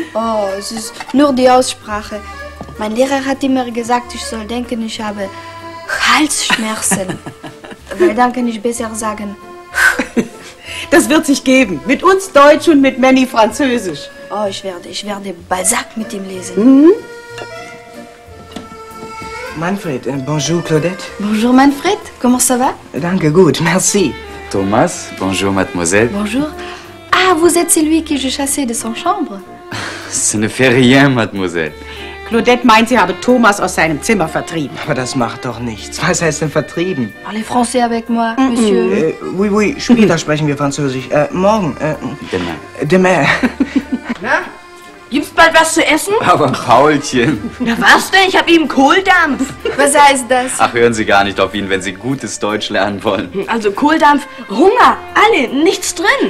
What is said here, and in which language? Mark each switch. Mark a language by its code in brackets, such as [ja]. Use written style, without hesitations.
[de] Oh, es ist nur die Aussprache. Mein Lehrer hat immer gesagt, ich soll denken, ich habe Halsschmerzen. Weil dann kann ich besser sagen. Das wird sich geben. Mit uns Deutsch und mit Manny Französisch. Oh, ich werde Balzac mit ihm lesen. [fr] Manfred, bonjour Claudette. Bonjour Manfred, comment ça va? [de] Danke, gut, merci. [fr] Thomas, bonjour mademoiselle. Bonjour. Ah, vous êtes celui que je chassais de son chambre? Ce ne fait rien, mademoiselle. [de] Claudette meint, sie habe Thomas aus seinem Zimmer vertrieben. Aber das macht doch nichts. Was heißt denn vertrieben? [fr] Parlez français avec moi, monsieur. Oui, oui, [de] später sprechen wir Französisch. Morgen. [fr] Demain. [de] Na? Gibt's bald was zu essen? Aber Paulchen. Na was denn? Ich hab eben Kohldampf. Was heißt das? Ach, hören Sie gar nicht auf ihn, wenn Sie gutes Deutsch lernen wollen. Also Kohldampf, Hunger, alle, nichts drin.